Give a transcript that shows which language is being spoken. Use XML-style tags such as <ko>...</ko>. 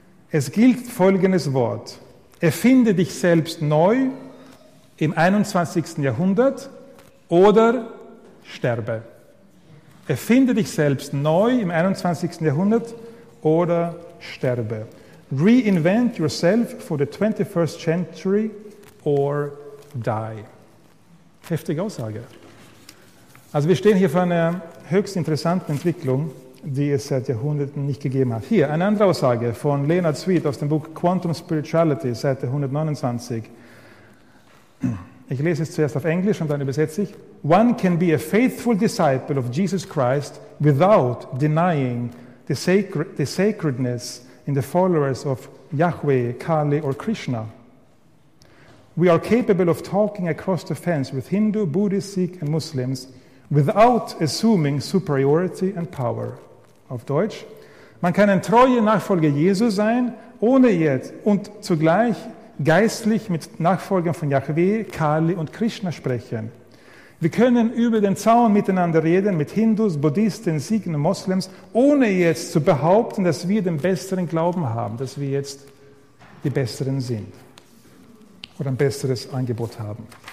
<de>Es gilt folgendes Wort, erfinde dich selbst neu im 21. Jahrhundert oder sterbe. Erfinde dich selbst neu im 21. Jahrhundert oder sterbe.</de> <en>Reinvent yourself for the 21st century or die.</en> <de>Heftige Aussage. Also wir stehen hier vor einer höchst interessanten Entwicklung, die es seit Jahrhunderten nicht gegeben hat. Hier eine andere Aussage von Leonard Sweet aus dem Buch Quantum Spirituality, Seite 129. Ich lese es zuerst auf Englisch und dann übersetze ich.</de> <en>One can be a faithful disciple of Jesus Christ without denying the sacredness in the followers of Yahweh, Kali or Krishna. We are capable of talking across the fence with Hindu, Buddhist, Sikh and Muslims without assuming superiority and power.</en> <de>Auf Deutsch. Man kann ein treuer Nachfolger Jesus sein, ohne jetzt und zugleich geistlich mit Nachfolgern von Yahweh, Kali und Krishna sprechen. Wir können über den Zaun miteinander reden, mit Hindus, Buddhisten, Sikhen und Moslems, ohne jetzt zu behaupten, dass wir den besseren Glauben haben, dass wir jetzt die Besseren sind oder ein besseres Angebot haben.</de>